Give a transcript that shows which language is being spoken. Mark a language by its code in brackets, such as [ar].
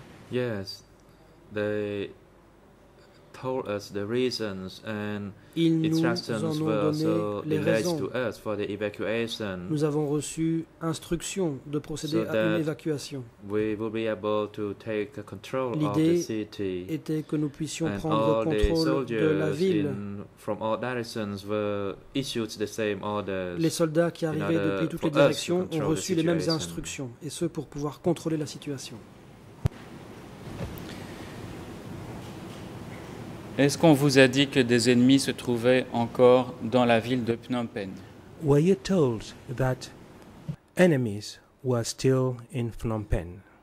[en] Yes, they told us the reasons and instructions were also delayed to us for the evacuation. [fr] Nous avons reçu instructions de procéder à une évacuation. [en] We will be able to take control [fr] L'idée [en] of the city. [fr] Était que nous puissions prendre contrôle de la ville. [en] From all directions were issued the same orders. [fr] Les soldats qui arrivaient depuis toutes les directions ont reçu les mêmes instructions, et ce pour pouvoir contrôler la situation. Est-ce qu'on vous a dit que des ennemis se trouvaient encore dans la ville de Phnom Penh? [en] Were you told that enemies were still in Phnom Penh?